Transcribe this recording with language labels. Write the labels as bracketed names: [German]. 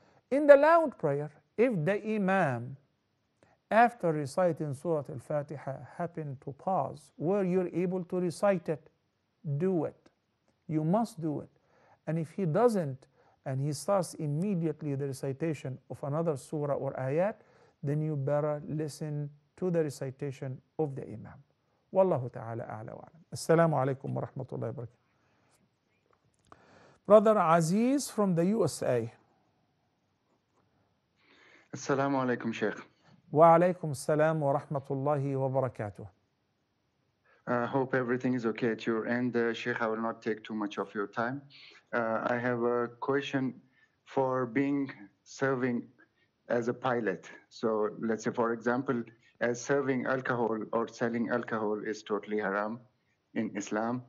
[English] In the loud prayer, if the imam, after reciting Surah Al-Fatiha, happened to pause, were you able to recite it, do it. You must do it. And if he doesn't, and he starts immediately the recitation of another surah or ayat, then you better listen to the recitation of the imam. [Arabic] والله تعالى أعلى وأعلم. السلام عليكم ورحمة الله وبركاته. [English] Brother Aziz from the USA. [Arabic] السلام عليكم شيخ. وعليكم السلام ورحمة الله وبركاته. [English] I hope everything is okay at your end, Sheikh. I will not take too much of your time. I have a question for being serving as a pilot. So let's say, for example, as serving alcohol or selling alcohol is totally haram in Islam.